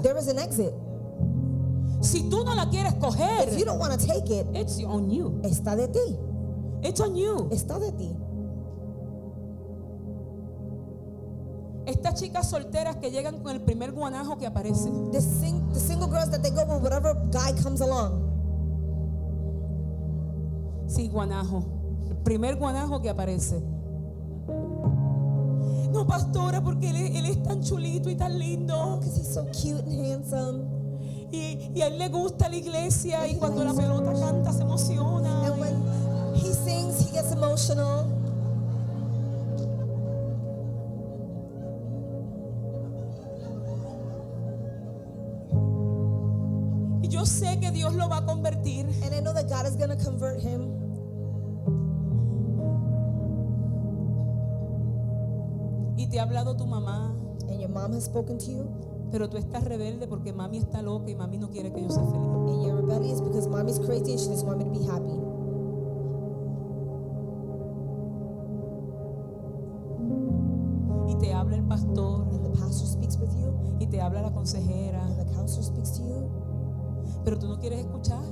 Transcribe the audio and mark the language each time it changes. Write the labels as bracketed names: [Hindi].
[English] There is an exit. [Spanish] Si tú no la quieres coger, [English] if you don't want to take it, it's on you. [Spanish] Está de ti. [English] It's on you. [Spanish] Está de ti. Estas chicas solteras que llegan con el primer guanajo que aparece. [English] The single girls that they go with whatever guy comes along. [Spanish] Sí, guanajo. El primer guanajo que aparece. No, pastora, porque él es tan chulito y tan lindo. [English] Because he's so cute and handsome. [Spanish] Y a él le gusta la iglesia y cuando la pelota canta se emociona. [English] And when he sings, he gets emotional. [Spanish] Y yo sé que Dios lo va a convertir. [English] And I know that God is going to convert him. [Spanish] Y te ha hablado tu mamá. [English] And your mom has spoken to you. [Spanish] Pero tú estás rebelde porque mami está loca y mami no quiere que yo sea feliz. [English] And you're rebellious because mommy's crazy and she doesn't want me to be happy. [Spanish] Y te habla el pastor. [English] And the pastor speaks with you. [Spanish] Y te habla la consejera. [English] And the counselor speaks to you. [Spanish] Pero tú no quieres escuchar.